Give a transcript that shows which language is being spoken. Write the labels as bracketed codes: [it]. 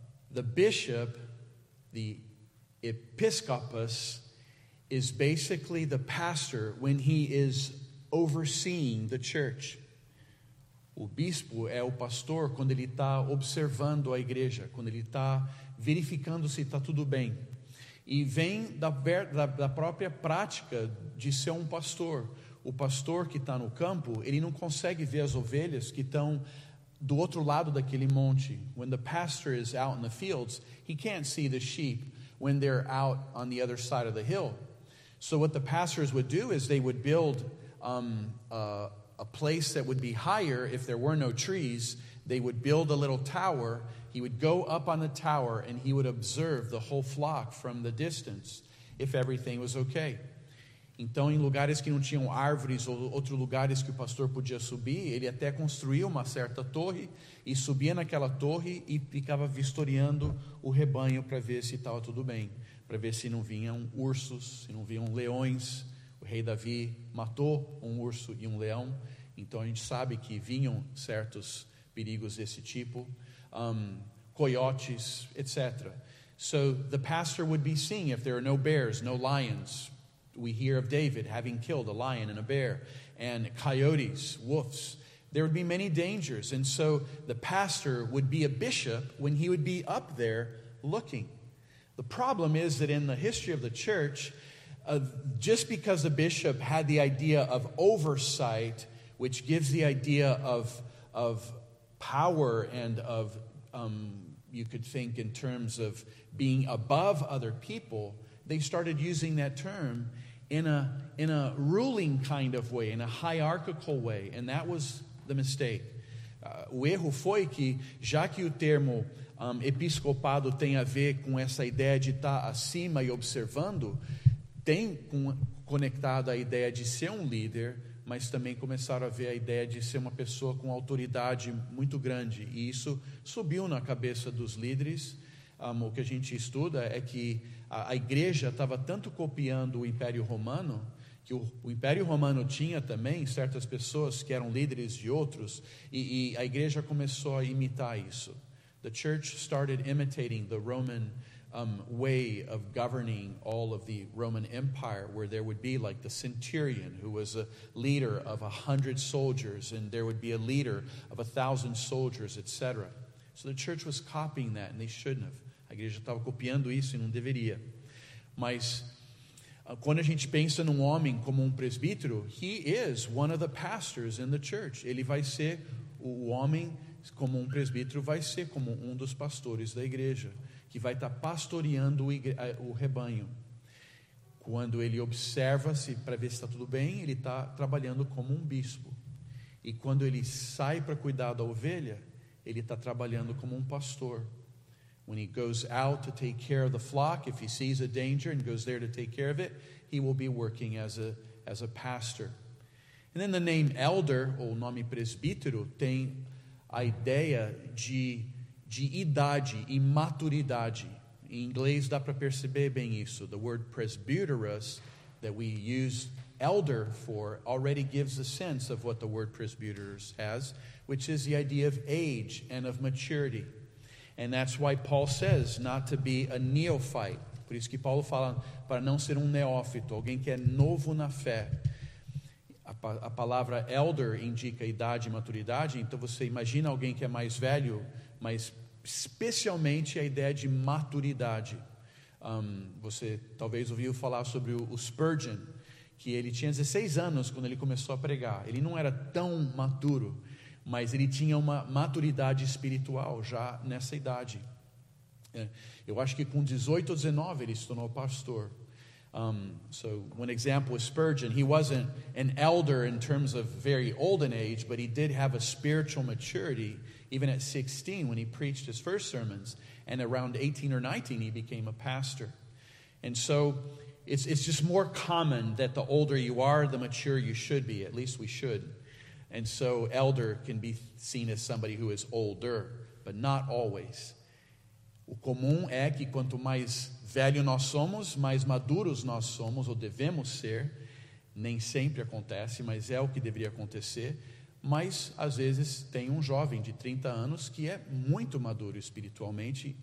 [en] The bishop, the episcopus, is basically the pastor when he is overseeing the church. [pt] O bispo é o pastor quando ele está observando a igreja, quando ele está verificando se está tudo bem. E vem da própria prática de ser um pastor. O pastor que está no campo, ele não consegue ver as ovelhas que estão do outro lado daquele monte. [en] When the pastor is out in the fields, he can't see the sheep when they're out on the other side of the hill. So what the pastors would do is they would build a place that would be higher. If there were no trees, they would build a little tower. He would go up on the tower and he would observe the whole flock from the distance if everything was okay. [pt] Então, em lugares que não tinham árvores ou outros lugares que o pastor podia subir, ele até construía uma certa torre e subia naquela torre e ficava vistoriando o rebanho para ver se estava tudo bem, para ver se não vinham ursos, se não vinham leões. O rei Davi matou um urso e um leão, então a gente sabe que vinham certos perigos desse tipo, coyotes, etc. [en] So the pastor would be seeing if there are no bears, no lions. We hear of David having killed a lion and a bear, and coyotes, wolves. There would be many dangers, and so the pastor would be a bishop when he would be up there looking. The problem is that in the history of the church, just because the bishop had the idea of oversight, which gives the idea of power and of, you could think in terms of being above other people, they started using that term in a ruling kind of way, in a hierarchical way, and that was the mistake. [pt] O erro foi que, já que o termo episcopado tem a ver com essa ideia de estar acima e observando, tem conectado a ideia de ser um líder, mas também começaram a ver a ideia de ser uma pessoa com autoridade muito grande. E isso subiu na cabeça dos líderes. O que a gente estuda é que a igreja estava tanto copiando o Império Romano, que o Império Romano tinha também certas pessoas que eram líderes de outros, e a igreja começou a imitar isso. [en] The church started imitating the Roman way of governing all of the Roman Empire, where there would be like the centurion, who was a leader of 100 soldiers, and there would be a leader of 1,000 soldiers, etc. So the church was copying that, and they shouldn't have. [pt] A igreja estava copiando isso e não deveria. Mas quando a gente pensa num homem como presbítero, [en] he is one of the pastors in the church. [pt] Ele vai ser o homem, como presbítero, vai ser como dos pastores da igreja, que vai estar pastoreando o rebanho. Quando ele observa-se para ver se está tudo bem, ele está trabalhando como bispo. E quando ele sai para cuidar da ovelha, ele está trabalhando como pastor. [en] When he goes out to take care of the flock, if he sees a danger and goes there to take care of it, he will be working as a pastor. And then the name elder, [pt] ou nome presbítero, tem a ideia de idade e maturidade. Em inglês dá para perceber bem isso. [en] The word presbyteros that we use elder for already gives a sense of what the word presbyteros has, which is the idea of age and of maturity. And that's why Paul says not to be a neophyte. [pt] Por isso que Paulo fala para não ser neófito, alguém que é novo na fé. A palavra elder indica idade e maturidade, então você imagina alguém que é mais velho, mas especialmente a ideia de maturidade. Você talvez ouviu falar sobre o Spurgeon, que ele tinha 16 anos quando ele começou a pregar. Ele não era tão maduro, mas ele tinha uma maturidade espiritual já nessa idade. Eu acho que com 18 ou 19 ele se tornou pastor. [en] So one example is Spurgeon. He wasn't an elder in terms of very old in age, but he did have a spiritual maturity even at 16 when he preached his first sermons, and around 18 or 19 he became a pastor. And so it's just more common that the older you are, the mature you should be, at least we should. And so elder can be seen as somebody who is older, but not always. [pt] O comum é que quanto mais velho nós somos, mais maduros nós somos, ou devemos ser. Nem sempre acontece, mas é o que deveria acontecer. Mas, às vezes, tem jovem de 30 anos que é muito maduro espiritualmente.